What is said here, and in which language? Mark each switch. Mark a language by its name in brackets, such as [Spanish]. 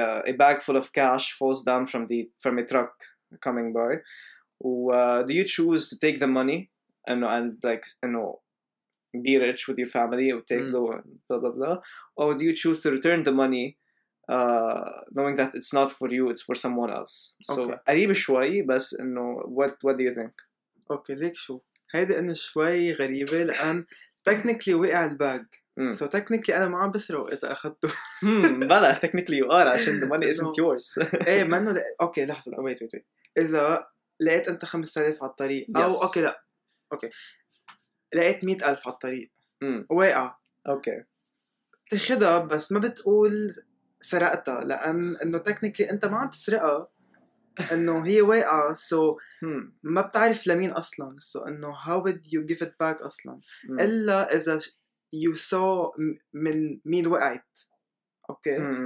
[English] a bag full of cash falls down from the from a truck coming by do you choose to take the money and like you know be rich with your family or take low and blah blah blah or do you choose to return the money knowing that it's not for you it's for someone else so [Arabic] قريب شوي بس انه [English] what do you think [Arabic] okay ليك شو هيدي انه شوي غريبه لان technically وقع الباج [English] So technically [Arabic] انا ما عم بسرق اذا اخذته بلا [English] technically you are [Arabic] عشان [English] the money isn't yours [Arabic] ايه ما انه اوكي لحظه [English] wait wait wait [Arabic] اذا لقيت انت 5000 على الطريق او اوكي لا اوكي لقيت 100,000 على الطريق واقع اوكي بتاخذها بس ما بتقول سرقتها لان انه تكنيكلي انت ما عم تسرقها انه هي واقعه سو ما بتعرف لمين اصلا سو انه [English] how would you give it back [Arabic] اصلا الا اذا [English] you saw [Arabic] من مين وقعت اوكي